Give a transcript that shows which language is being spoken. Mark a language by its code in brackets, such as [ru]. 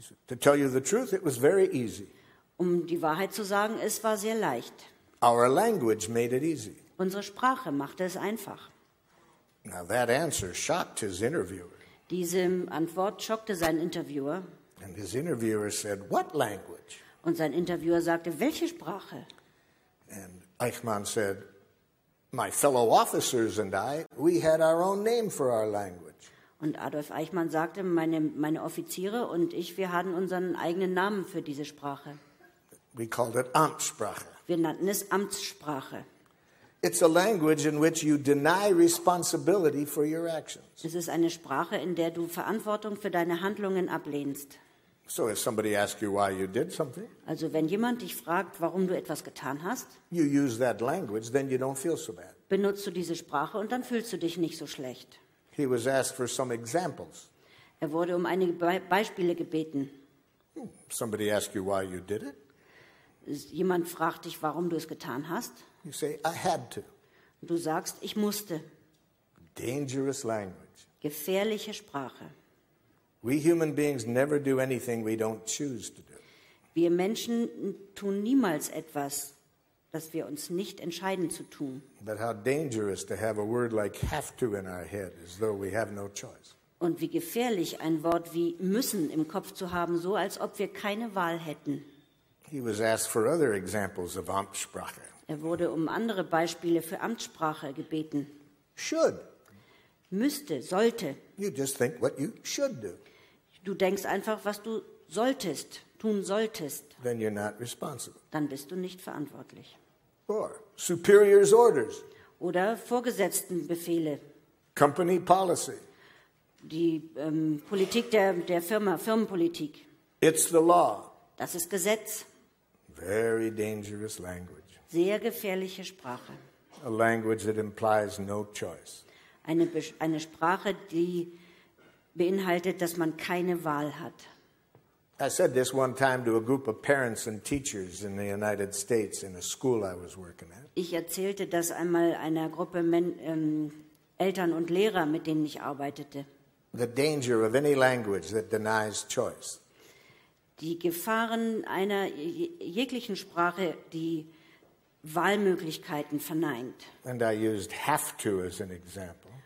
[en] To tell you the truth, it was very easy. [de] Die Wahrheit zu sagen, es war sehr leicht. [en] Our language made it easy. [de] Unsere Sprache machte es einfach. [en] Now that answer shocked his interviewer. [de] Diese Antwort schockte seinen Interviewer. [en] And his interviewer said, "What language?" [de] Und sein Interviewer sagte, welche Sprache? [en] And Eichmann said, "My fellow officers and I, we had our own name for our language." [de] Und Adolf Eichmann sagte, meine Offiziere und ich, wir hatten unseren eigenen Namen für diese Sprache. [en] We called it Amtssprache. [de] Wir nannten es Amtssprache. [en] It's a language in which you deny responsibility for your actions. [de] Es ist eine Sprache, in der du Verantwortung für deine Handlungen ablehnst. [en] So if somebody asks you why you did something, [de] also wenn jemand dich fragt, warum du etwas getan hast, [en] you use that language, then you don't feel so bad. [de] Benutzt du diese Sprache und dann fühlst du dich nicht so schlecht. [en] He was asked for some examples. [de] Er wurde einige Beispiele gebeten. [en] Somebody asks you why you did it. [de] Jemand fragt dich, warum du es getan hast. [en] You say, I had to. [de] Du sagst, ich musste. [en] Dangerous language. [de] Gefährliche Sprache. [en] We human beings never do anything we don't choose to do. [de] Wir Menschen tun niemals etwas, das wir uns nicht entscheiden zu tun. [en] But how dangerous to have a word like have to in our head, as though we have no choice. [de] Und wie gefährlich ein Wort wie müssen im Kopf zu haben, so als ob wir keine Wahl hätten. [en] He was asked for other examples of Amtssprache. [de] Er wurde um andere Beispiele für Amtssprache gebeten. [en] Should. [de] Müsste, sollte. [en] You just think what you should do. [de] Du denkst einfach, was du solltest, tun solltest. [en] Then you're not responsible. [de] Dann bist du nicht verantwortlich. [en] Or superior's orders. [de] Oder Vorgesetztenbefehle. [en] Company policy. [de] Die Politik der Firma, Firmenpolitik. [en] It's the law. [de] Das ist Gesetz. [en] Very dangerous language. [de] Sehr gefährliche Sprache. [en] A language that implies no choice. [de] Eine Sprache, die beinhaltet, dass man keine Wahl hat. [en] I said this one time to a group of parents and teachers in the United States in a school I was working at. [de] Ich erzählte das einmal einer Gruppe Eltern und Lehrer, mit denen ich arbeitete. [en] The danger of any language that denies choice. [de] Die Gefahren einer jeglichen Sprache, die Wahlmöglichkeiten verneint. [en] And I used have to as an example.